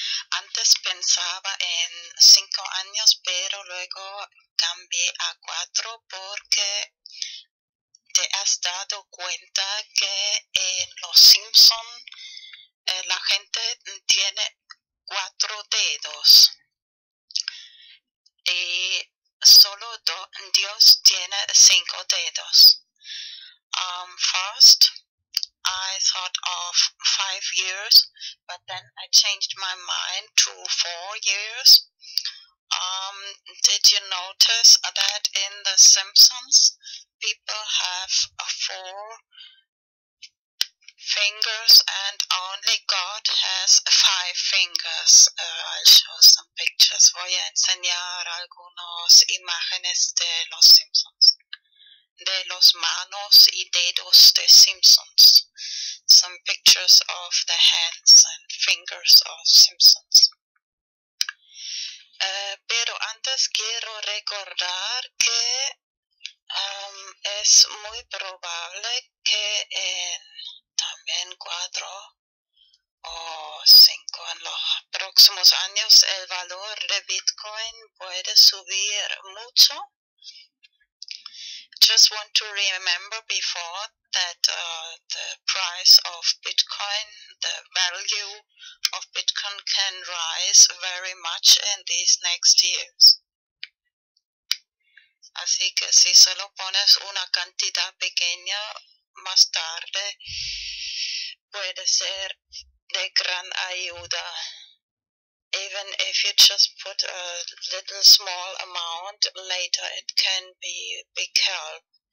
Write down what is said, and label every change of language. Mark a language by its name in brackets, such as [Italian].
[Spanish] Antes pensaba en 5 años, pero luego cambié a 4 porque te has dado cuenta que en los Simpsons la gente tiene 4 dedos y solo Dios tiene 5 dedos. [English] First, I thought of 5 years, but then I changed my mind to 4 years. Did you notice that in the Simpsons, people have 4 fingers and only God has 5 fingers? I'll show some pictures. [Spanish] Voy a enseñar algunas imágenes de los Simpsons. De los manos y dedos de Simpsons. [English] Some pictures of the hands and fingers of Simpsons. [Spanish] Pero antes quiero recordar que es muy probable que en también 4 o 5 en los próximos años el valor de Bitcoin puede subir mucho. [English] Just want to remember before that the price of Bitcoin, the value of Bitcoin can rise very much in these next years. [Spanish] Así que si solo pones una cantidad pequeña, más tarde puede ser de gran ayuda. [English] Even if you just put a little small amount, later it can be big help.